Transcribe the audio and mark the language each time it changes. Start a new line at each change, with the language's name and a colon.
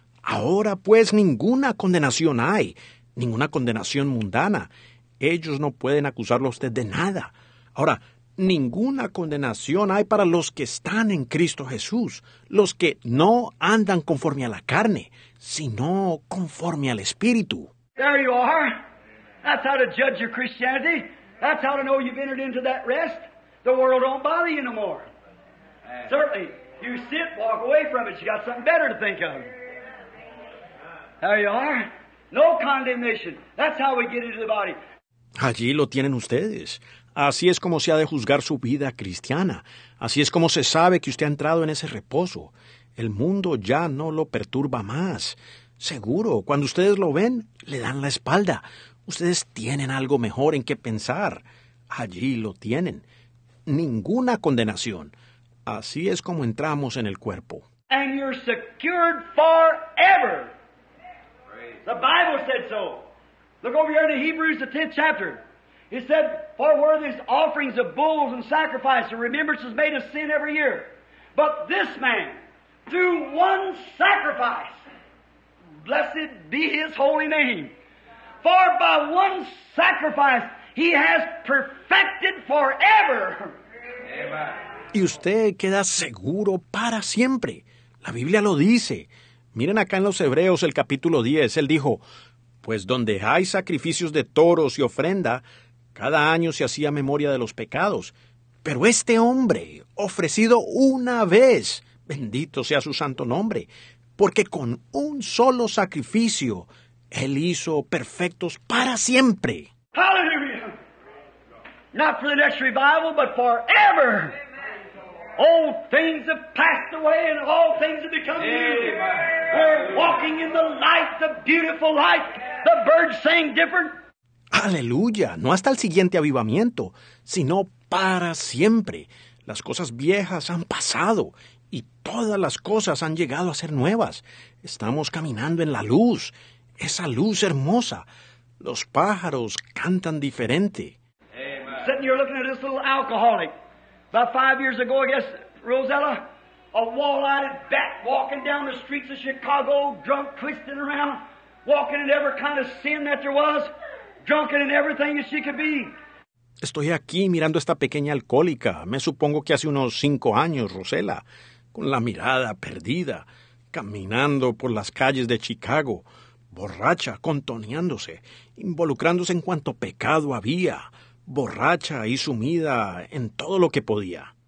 Spanish: Ahora pues ninguna condenación hay, ninguna condenación mundana. Ellos no pueden acusarlo a usted de nada. Ahora, ninguna condenación hay para los que están en Cristo Jesús, los que no andan conforme a la carne, sino conforme al Espíritu.
English: There you are. That's how to judge your Christianity. That's how to know you've entered into that rest. The world don't bother you no more. Certainly, you sit, walk away from it. You got something better to think of. There you are. No condemnation. That's how we get into the body.
Spanish: Allí lo tienen ustedes. Así es como se ha de juzgar su vida cristiana. Así es como se sabe que usted ha entrado en ese reposo. El mundo ya no lo perturba más. Seguro, cuando ustedes lo ven, le dan la espalda. Ustedes tienen algo mejor en qué pensar. Allí lo tienen. Ninguna condenación. Así es como entramos en el cuerpo.
English: And you're secured forever. The Bible said so. Look over here in Hebrews, the 10th chapter. It said, for were these offerings of bulls and sacrifice, the remembrance is made of sin every year. But this man, through one sacrifice, blessed be his holy name. For by one sacrifice, he has perfected forever.
Spanish: Y usted queda seguro para siempre. La Biblia lo dice. Miren acá en los Hebreos, el capítulo 10. Él dijo, pues donde hay sacrificios de toros y ofrenda, cada año se hacía memoria de los pecados, pero este hombre, ofrecido una vez, bendito sea su santo nombre, porque con un solo sacrificio, él hizo perfectos para siempre.
English: Hallelujah! Not for the next revival, but forever. Old things have passed away and all things have become new. We're walking in the light, the beautiful light. The birds sang different.
Spanish: ¡Aleluya! No hasta el siguiente avivamiento, sino para siempre. Las cosas viejas han pasado y todas las cosas han llegado a ser nuevas. Estamos caminando en la luz, esa luz hermosa. Los pájaros cantan diferente.
English: Amen. Sitting here looking at this little alcoholic. About 5 years ago, I guess, Rosella, a wall-eyed bat walking down the streets of Chicago, drunk, twisting around, walking in every kind of sin that there was. Drunken and everything as she could be.
Spanish: Estoy aquí mirando a esta pequeña alcohólica, me supongo que hace unos 5 años, Rosella, con la mirada perdida, caminando por las calles de Chicago, borracha, contoneándose, involucrándose en cuanto pecado había, borracha y sumida en todo lo que podía.